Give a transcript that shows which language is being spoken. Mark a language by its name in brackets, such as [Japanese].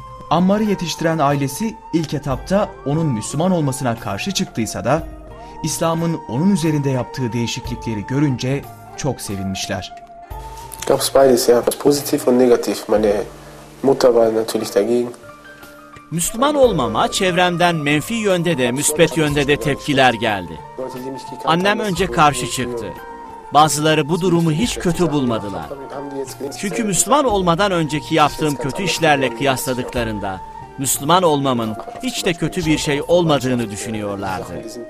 [Turkish] Ammar'ı yetiştiren ailesi ilk etapta onun Müslüman olmasına karşı çıktıysa da, İslam'ın onun üzerinde yaptığı değişiklikleri görünce çok sevinmişler. [German] Gab's beides ja, positiv und negativ. Meine Mutter war natürlich dagegen. [Turkish] Müslüman olmama çevremden menfi yönde de müspet yönde de tepkiler geldi. Annem önce karşı çıktı. Bazıları bu durumu hiç kötü bulmadılar. Çünkü Müslüman olmadan önceki yaptığım kötü işlerle kıyasladıklarında Müslüman olmamın hiç de kötü bir şey olmadığını düşünüyorlardı.